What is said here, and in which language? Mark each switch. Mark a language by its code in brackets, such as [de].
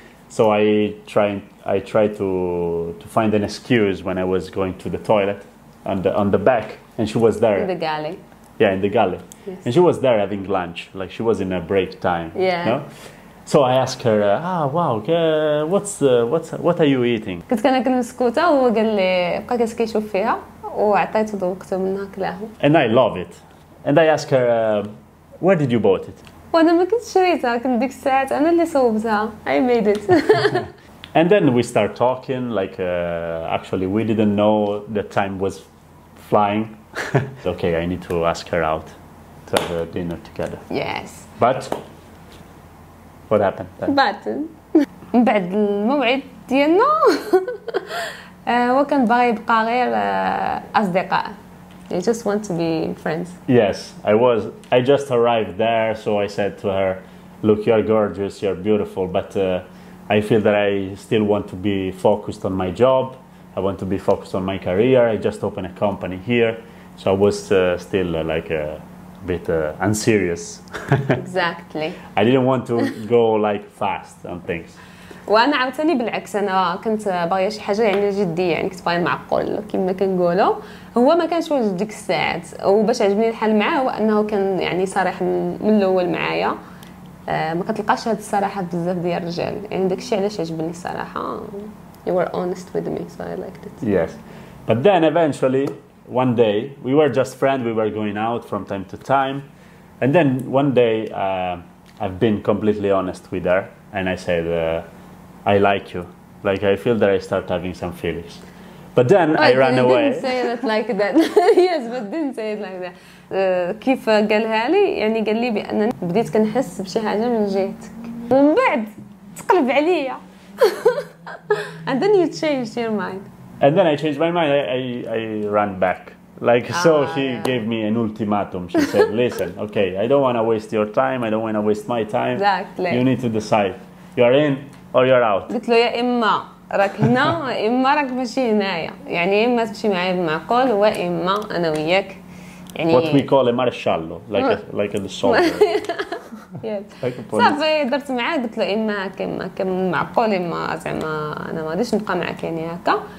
[en] So I tried to find an excuse when I was going to the toilet on the back, and she was there in the galley. Yeah, in the galley. Yes. And she was there having lunch, like she was in a break time. Yeah. You know? So I asked her, what are you eating? [ar] كنت كنأكل بسكوتة وقال لي بقى كيشوف فيها وعطيته وقت منها كلاه. [en] And I love it. And I asked her, where did you bought it? [ar] وانا ما كنت شريتها، كنت ديك الساعات انا اللي صوبتها. [en] I made it. And then we start talking, like actually we didn't know the time was flying. Okay, I need to ask her out to have a dinner together. Yes. But what happened then? [ar] But بعد الموعد ديالنا هو كان باغي يبقى غير اصدقاء. [en] I just want to be friends. Yes, I just arrived there, so I said to her, look, you're gorgeous, you're beautiful, but I feel that I still want to be focused on my job. I want to be focused on my career. I just opened a company here. So I was still like a bit unserious. Exactly. I didn't want to go like fast on things. [ar] وانا عاوتاني بالعكس، انا كنت باغيه شي حاجه يعني جديه، يعني كنت باغيه معقول كما كنقولوا. هو ما كانش واجد ديك الساعات، وباش عجبني الحال معاه هو انه كان يعني صريح من الاول معايا. ما كتلقاش هاد الصراحه بزاف ديال الرجال، يعني داكشي علاش عجبني الصراحه. [en] You were honest with me, so I liked it. Yes. But then eventually one day we were just friends, we were going out from time to time. And then one day I've been completely honest with her and I said I like you. Like I feel that I start having some feelings. But then I ran away. Didn't say it like that. Yes, but didn't say it like that. [ar] كيف قالها لي؟ يعني قال لي بان بديت كنحس بشي حاجه من جهتك. ومن بعد تقلب عليا. [en] And then you changed your mind. And then I changed my mind. I ran back. Like gave me an ultimatum. She said, "Listen, okay, I don't want to waste your time. I don't want to waste my time. Exactly. You need to decide. You are in or you're out." [ar] قلت له يا اما راك هنا يا اما راك ماشي هنايا، يعني يا اما تمشي معايا بمعقول واما انا وياك. يعني [en] what we call a marshallo, like a soldier. Yes. [ar] Like صافي درت معاه، قلت له اما هكا اما هكا معقول، اما زعما انا ما غاديش نبقى معاك يعني هكا.